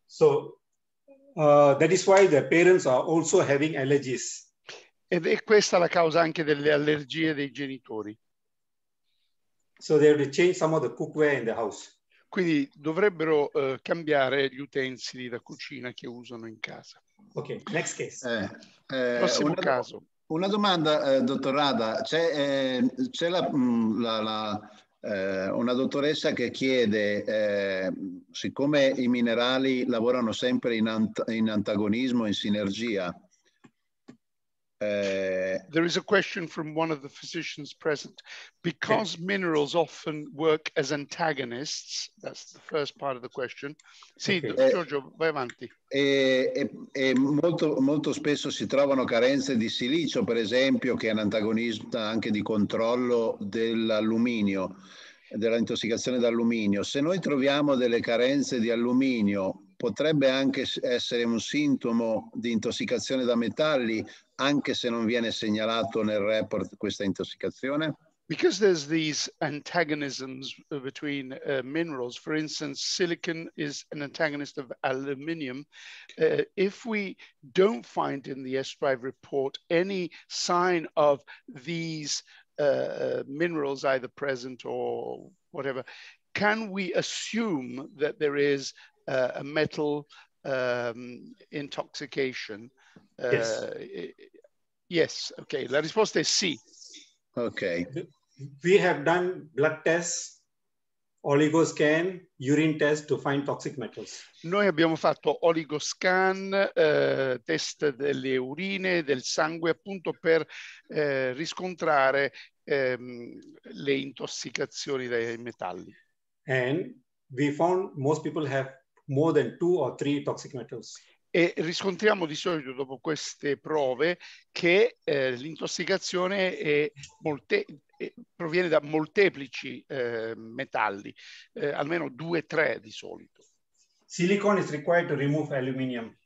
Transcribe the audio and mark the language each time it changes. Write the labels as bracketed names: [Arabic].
[English] So that is why the parents are also having allergies. [Italian] Ed è questa la causa anche delle allergie dei genitori. [English] So they have to change some of the cookware in the house. [Italian] Quindi dovrebbero cambiare gli utensili da cucina che usano in casa. [English] Ok, next case. [Italian] Prossimo caso. Una domanda, dottor Rada. C'è una dottoressa che chiede, siccome i minerali lavorano sempre in antagonismo, in sinergia. [English] There is a question from one of the physicians present. Because minerals often work as antagonists, that's the first part of the question. [Italian] Sì, okay. Giorgio, vai avanti. E molto, molto spesso si trovano carenze di silicio, per esempio, che è un antagonista anche di controllo dell'alluminio, dell'intossicazione d'alluminio. Se noi troviamo delle carenze di alluminio, potrebbe anche essere un sintomo di intossicazione da metalli, anche se non viene segnalato nel report questa intossicazione? [English] Because there's these antagonisms between minerals, for instance, silicon is an antagonist of aluminium. If we don't find in the S5 report any sign of these minerals either present or whatever, can we assume that there is a metal intoxication? Yes. [Italian] Okay. La risposta è sì. [English] Okay. We have done blood tests, oligo scan, urine test to find toxic metals. [Italian] Noi abbiamo fatto oligo scan, test delle urine, del sangue, appunto per riscontrare le intossicazioni dai metalli. [English] And we found most people have more than 2 or 3 toxic metals. [Italian] E riscontriamo di solito dopo queste prove che l'intossicazione proviene da molteplici metalli, almeno 2 o 3 di solito. [English] Silicon is required to remove aluminium.